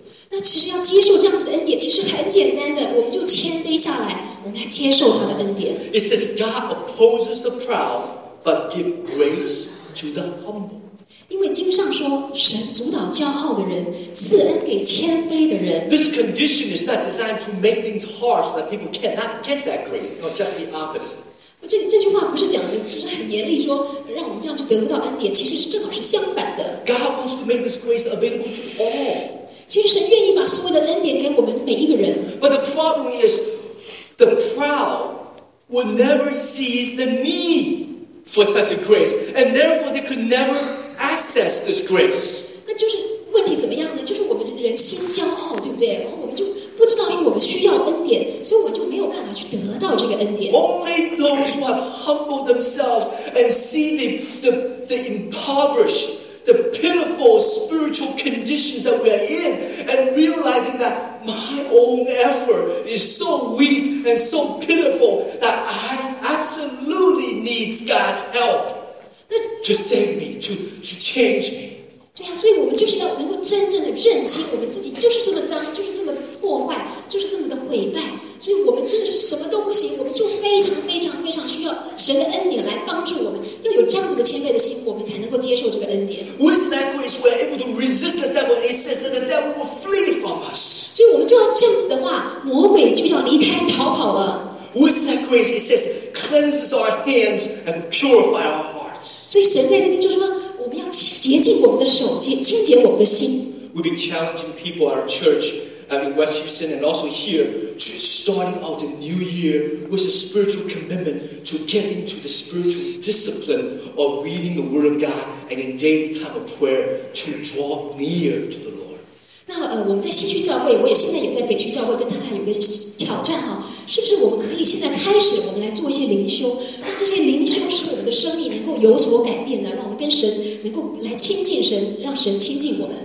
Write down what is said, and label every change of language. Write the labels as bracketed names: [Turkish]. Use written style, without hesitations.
[Chinese] 那其实要接受这样子的恩典，其实很简单的，我们就谦卑下来，我们来接受他的恩典。 [English] It says God opposes the proud, but gives grace to the humble. [Chinese] 因为经上说，神阻挡骄傲的人，赐恩给谦卑的人。 [English] This condition is not designed to make things hard so that people cannot get that grace. No, just the opposite. [Chinese] 这句话不是讲的，就是很严厉说，让我们这样就得不到恩典，其实是正好是相反的。 [English] God wants to make this grace available to all. [Chinese] 其实神愿意把所有的恩典给我们每一个人。 [English] But the problem is, the proud will never seize the need for such a grace, and therefore they could never access this grace. [Chinese] 那就是问题怎么样呢？就是我们人心骄傲，对不对？然后我们就不知道说我们需要恩典，所以我们就没有办法去得到这个恩典。 Only those who have humbled themselves and see the impoverished. The pitiful spiritual conditions that we are in, and realizing that my own effort is so weak and so pitiful that I absolutely need God's help to save me, to change me. 对呀、啊，所以我们就是要能够真正的认清我们自己就是这么脏，就是这么破坏，就是这么的毁败。所以我们真的是什么都不行，我们就非常非常非常需要神的恩典来帮助我们。要有这样子的谦卑的心，我们才能够接受这个恩典。 [English] With that grace, we are able to resist the devil. It says that the devil will flee from us. [Chinese] 所以我们就要这样子的话，魔鬼就要离开逃跑了。 [English] With that grace, it says, cleanses our hands and purify our hearts. [Chinese] 所以神在这边就说，我们要洁净我们的手，清洁我们的心。 [English] We've been challenging people at our church. I mean, West Houston, and also here, to starting out the new year with a spiritual commitment to get into the spiritual discipline of reading the Word of God and in daily time of prayer to draw near to the Lord. [Chinese] 那我们在新区教会，我也现在也在北区教会跟大家有个挑战哈，是不是我们可以现在开始，我们来做一些灵修，让这些灵修使我们的生命能够有所改变的，让我们跟神能够来亲近神，让神亲近我们。